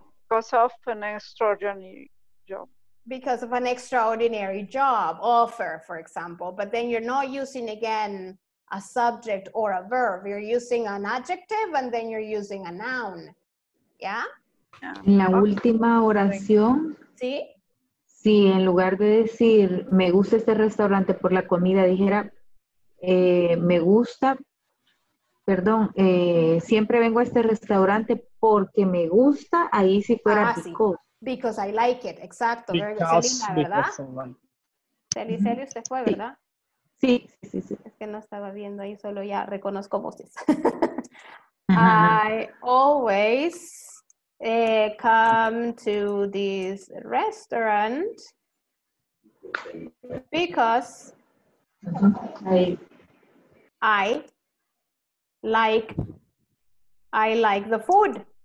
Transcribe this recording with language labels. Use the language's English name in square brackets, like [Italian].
[English] Because of an extraordinary job. Because of an extraordinary job offer, for example. But then you're not using again a subject or a verb. You're using an adjective and then you're using a noun. Yeah? [Spanish] En la última oración, ¿sí? Si en lugar de decir me gusta este restaurante por la comida, dijera me gusta, perdón, siempre vengo a este restaurante porque me gusta, ahí sí fuera [English] because. Sí. Because I like it, exacto. Because, Selena, because [Spanish] ¿verdad? Selena, usted fue, ¿verdad? Sí. Sí. Es que no estaba viendo ahí, solo ya reconozco voces. [English] I always... come to this restaurant because I like the food.